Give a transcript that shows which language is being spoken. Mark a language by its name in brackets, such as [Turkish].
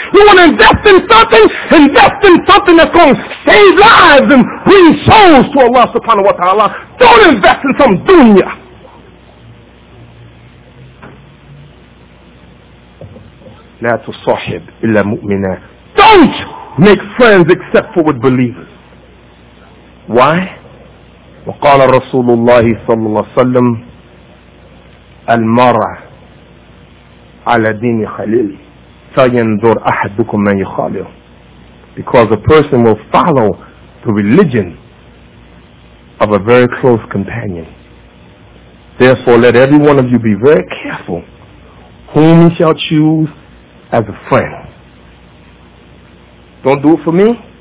[English] You want to invest in something? Invest in something that's going to save lives and bring souls to Allah subhanahu wa ta'ala. Don't invest in some dunya. [Arabic] La tusahib illa mu'mina. [English] Don't make friends except for with believers. Why? [Arabic] وقال رسول الله صلى الله عليه وسلم المرء على دين خليله فينظر أحدكم من يخاله. [English] Because a person will follow the religion of a very close companion. Therefore, let every one of you be very careful whom you shall choose as a friend. Don't do it for me.